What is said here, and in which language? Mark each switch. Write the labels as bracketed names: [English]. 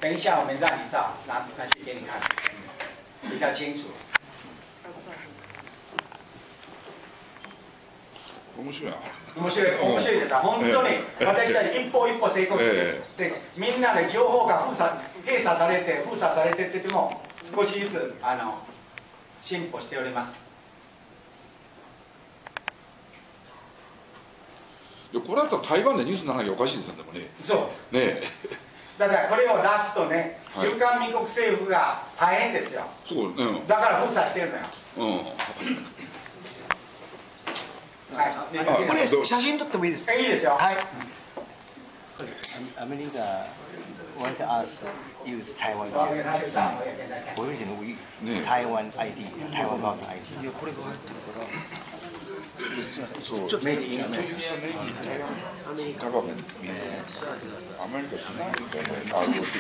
[Chinese] 等一下我们让你照拿出来给你看比较清楚 [Japanese] 面白い面白いです本当に私たち一歩一歩成功して、でみんなの情報が封鎖閉鎖されて封鎖されてってても少しずつ進歩しております。これだったら台湾でニュースならなきゃおかしいですよね。そうねえだからこれを出すとね、はい、中華民国政府が大変ですよ。そう、ね、だから封鎖してるのよ、うんはい、これ写真撮ってもいいですか。いいですよ、はい、アメリカ [English] want us use Taiwan original Taiwan ID Taiwan ID。 [Japanese] いやこれが入ってるからそうメイン、ね、アメリカがメイン、アメリカしないと思います